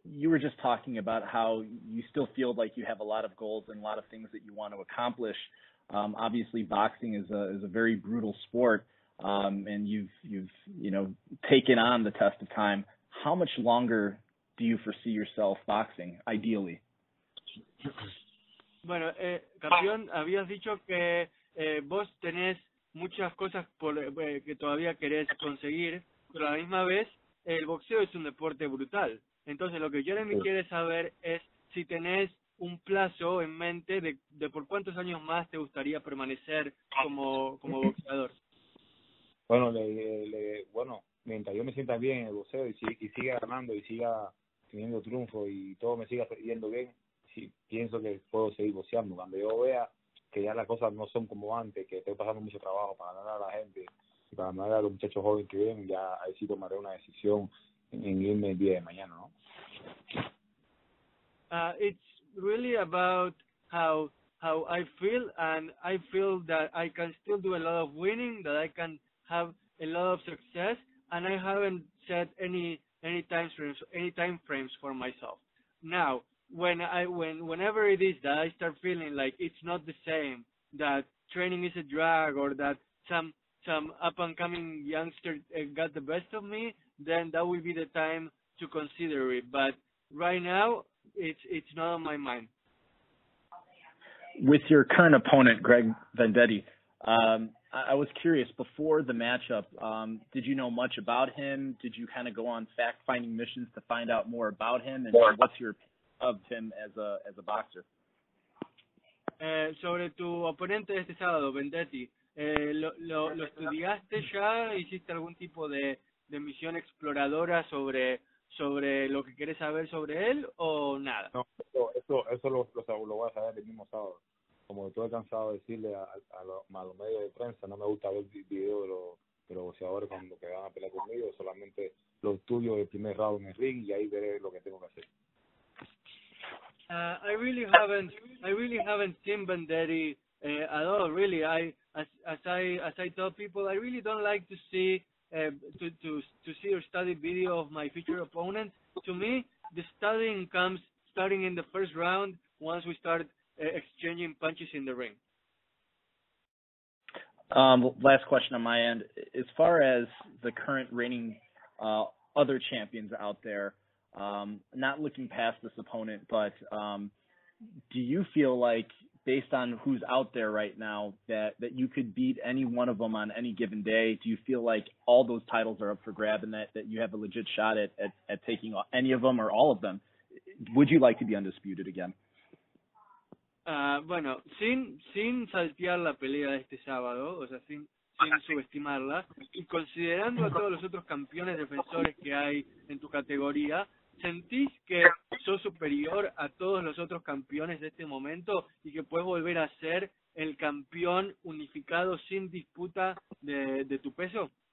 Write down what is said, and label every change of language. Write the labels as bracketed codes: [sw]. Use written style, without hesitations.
[en] You were just talking about how you still feel like you have a lot of goals and a lot of things that you want to accomplish. Obviously, boxing is a very brutal sport, and you've taken on the test of time. How much longer do you foresee yourself boxing, ideally? [es] Bueno, campeón, habías dicho que vos tenés muchas cosas por, que todavía querés conseguir, pero a la misma vez el boxeo es un deporte brutal. Entonces, lo que Jeremy quiere saber es si tenés un plazo en mente de por cuántos años más te gustaría permanecer como boxeador. Bueno, mientras yo me sienta bien en el boxeo y siga ganando y siga teniendo triunfo y todo me siga yendo bien, sí, pienso que puedo seguir boxeando. Cuando yo vea que ya las cosas no son como antes, que estoy pasando mucho trabajo para ganar a la gente y para ganar a los muchachos jóvenes que vienen, ya ahí sí tomaré una decisión en irme el día de mañana, ¿no? [en] It's really about how I feel, and I feel that I can still do a lot of winning, that I can have a lot of success, and I haven't set any time frames for myself. Now, whenever it is that I start feeling like it's not the same, that training is a drag, or that some up and coming youngster got the best of me, then that will be the time to consider it. But right now, it's not on my mind. With your current opponent, Greg Vendetti, I was curious, before the matchup, did you know much about him? Did you kind of go on fact-finding missions to find out more about him? And what's your opinion of him as a boxer? [es] Sobre tu oponente este sábado, Vendetti, ¿lo estudiaste ya? ¿Hiciste algún tipo de misión exploradora sobre lo que quieres saber sobre él o nada? No, eso lo voy a saber el mismo sábado. Como estoy cansado de decirle a los medios de prensa, no me gusta ver videos de los boxeadores cuando que van a pelear conmigo, solamente los estudio el primer round en el ring y ahí veré lo que tengo que hacer. [en] I really haven't seen Vendetti at all, really. As I tell people, I really don't like to see to see or study video of my future opponent. To me, the studying comes starting in the first round once we start exchanging punches in the ring. Last question on my end. As far as the current reigning other champions out there, not looking past this opponent, but do you feel like, based on who's out there right now, that you could beat any one of them on any given day? Do you feel like all those titles are up for grab and that you have a legit shot at taking any of them or all of them? Would you like to be undisputed again? [es] Bueno, sin saltear la pelea de este sábado, o sea, sin subestimarla, y considerando a todos los otros campeones defensores que hay en tu categoría, ¿sentís que sos superior a todos los otros campeones de este momento y que puedes volver a ser el campeón unificado sin disputa de tu peso?